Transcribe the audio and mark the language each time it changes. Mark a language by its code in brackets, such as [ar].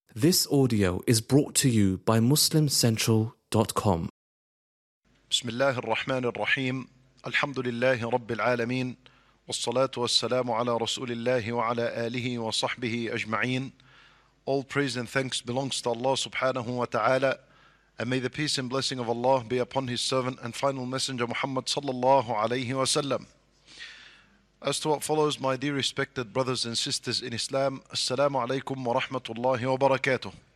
[en] This audio is brought to you by MuslimCentral.com. [ar] بسم الله الرحمن الرحيم. الحمد لله رب العالمين والصلاة والسلام على رسول الله وعلى آله وصحبه أجمعين. [en] All praise and thanks belongs to Allah سبحانه وتعالى. And may the peace and blessing of Allah be upon His servant and final messenger Muhammad صلى الله عليه وسلم. As to what follows, my dear respected brothers and sisters in Islam, Assalamu alaikum wa rahmatullahi wa barakatuh.